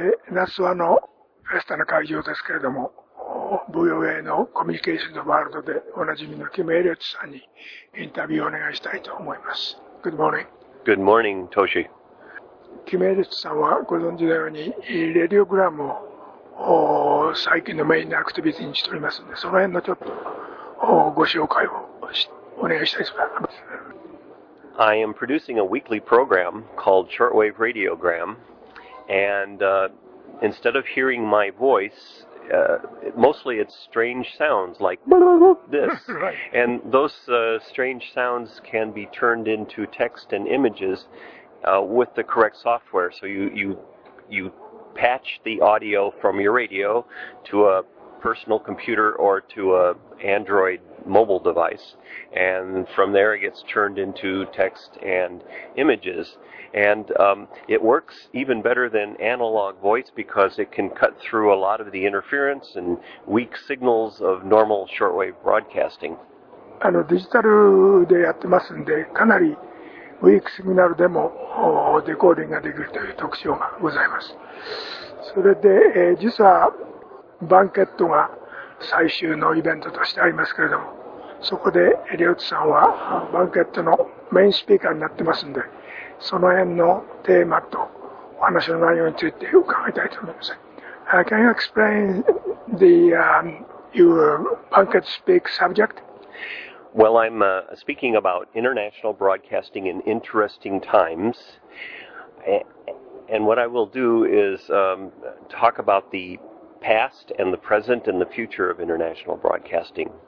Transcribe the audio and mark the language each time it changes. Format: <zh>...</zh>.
<ja>夏場のフェスタの会場ですけれども、 VOA のコミュニケーションズワールドでおなじみのキム・エリオットさんにインタビューをお願いしたいと思います。</ja> <en>Good morning. Good morning, Toshi.</en> <ja>キム・エリオットさんはご存知のようにレディオグラムを最近のメインのアクティビティにしておりますので、その辺のちょっとご紹介をお願いしたいと思います。</ja> <en>I am producing a weekly program called Shortwave Radiogram. And instead of hearing my voice, mostly it's strange sounds like this. And those strange sounds can be turned into text and images with the correct software. So you patch the audio from your radio to a personal computer or to a Android mobile device. And from there it gets turned into text and images. And it works even better than analog voice because it can cut through a lot of the interference and weak signals of normal shortwave broadcasting.</en> <ja>あのデジタルでやってますんで、かなりウィークシグナルでもデコーディングができるという特徴がございます。それで、実はバンケットが最終のイベントとしてありますけれども、そこでエリオットさんはバンケットのメインスピーカーになってますんで、その辺のテーマとお話の内容について伺いたいと思います。</ja> <en>Can you explain the your banquet speak subject? Well, I'm speaking about international broadcasting in interesting times. And what I will do is talk about the past and the present and the future of international broadcasting.</en>